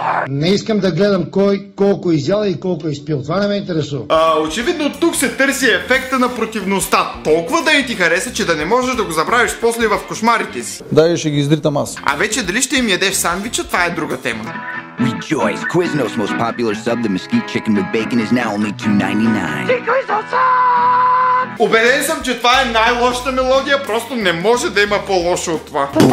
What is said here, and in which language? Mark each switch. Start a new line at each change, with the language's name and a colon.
Bulgarian: Не искам да гледам кой колко изял и колко изпил. Това не ме интересува. А, очевидно тук се търси ефекта на противността. Толкова да и ти хареса, че да не можеш да го забравиш после в кошмарите си. Дай ще ги издритам аз. А вече дали ще им ядеш сандвича, това е друга тема.
English: Rejoice, Quiznos most popular sub, the mesquite chicken with bacon is now only $2.99.
Bulgarian: Убеден съм, че това е най-лошата мелодия, просто не може да има по-лошо от това.